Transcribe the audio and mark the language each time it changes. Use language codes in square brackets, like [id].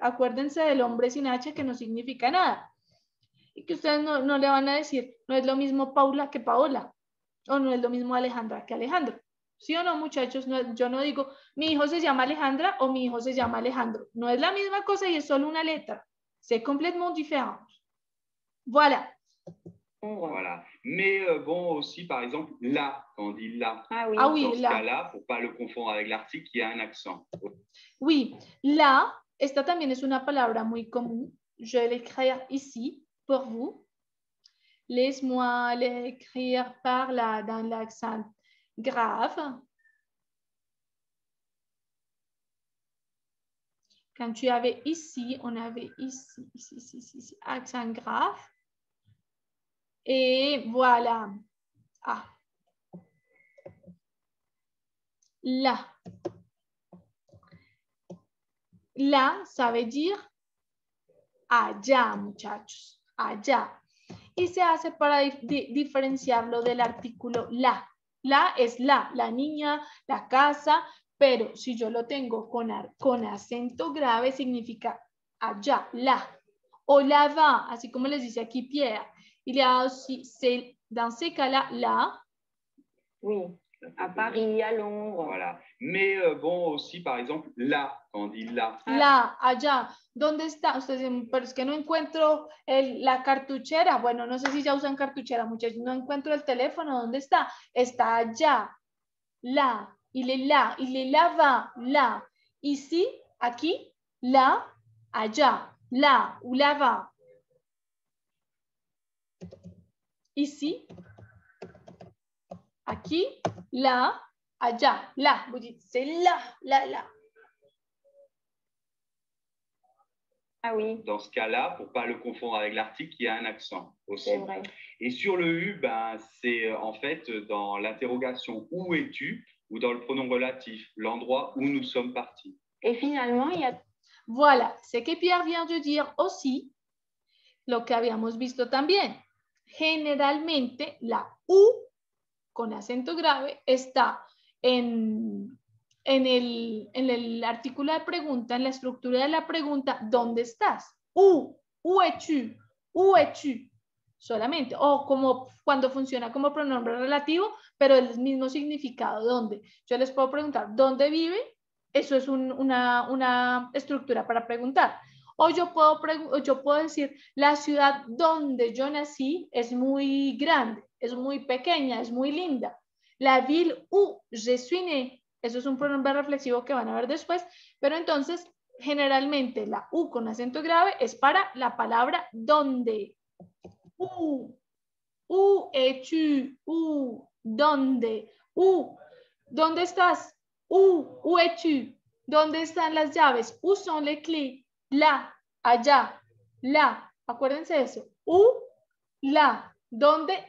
[es] Acuérdense del hombre sin H que no significa nada. Y que ustedes no le van a decir, no es lo mismo Paula que Paola, o no es lo mismo Alejandra que Alejandro. ¿Sí o no, muchachos? No, yo no digo, mi hijo se llama Alejandra o mi hijo se llama Alejandro. No es la misma cosa y es solo una letra. [fr] C'est complètement différent. Voilà. Voilà. Mais bon, aussi, par exemple, là, quand on dit là. Ah oui, dans ce là. Cas-là, pour ne pas le confondre avec l'article, il y a un accent. Oui, [es] là, esta también es una palabra muy común. [fr] Je vais l'écrire ici, pour vous. Laisse-moi l'écrire par là, dans l'accent grave. Quand tu avais ici, on avait ici, accent grave. Et voilà. Ah. La. La, ça veut dire [es] allá, muchachos. Allá. Y se hace para diferenciarlo del artículo la. La es la, la niña, la casa, pero si yo lo tengo con acento grave, significa allá, la. O la va, así como les dice aquí Pierre. [fr] Il y a aussi, c'est dans ces cas-là, là. Oui, à Paris, à Londres. Voilà. Mais bon, aussi, par exemple, là, quand on dit là. [es] Là, allá. ¿Dónde está? Ustedes dicen, pero es que no encuentro el, la cartuchera. Bueno, no sé si ya usan cartuchera, muchachos. No encuentro el teléfono. ¿Dónde está? Está allá. [fr] Là. Il est là. Il est là-bas. Là. Ici, aquí, là, allá. Là, ou là-bas. Ici, aquí, là, allá, là, vous dites, c'est là, là, là. Ah oui. Dans ce cas-là, pour ne pas le confondre avec l'article, il y a un accent aussi. C'est vrai. Et sur le U, ben, c'est en fait dans l'interrogation où es-tu ou dans le pronom relatif, l'endroit où nous sommes partis. Et finalement, il y a. Voilà, ce que Pierre vient de dire aussi, [es] lo que habíamos visto también. Generalmente la U con acento grave está en el artículo de pregunta, en la estructura de la pregunta, ¿dónde estás? U, [fr] où es-tu, où es-tu, [es] solamente, o como cuando funciona como pronombre relativo, pero el mismo significado, ¿dónde? Yo les puedo preguntar, ¿dónde vive? Eso es una estructura para preguntar. O yo puedo decir, la ciudad donde yo nací es muy grande, es muy pequeña, es muy linda. [fr] La ville où je suis né, [es] eso es un pronombre reflexivo que van a ver después, pero entonces, generalmente, la U con acento grave es para la palabra donde. U, où es-tu, où, donde, où, ¿dónde estás? U, où es-tu, ¿dónde están las llaves? [fr] Où sont les clés, [es] la. Allá, la, acuérdense de eso, u, la, ¿dónde?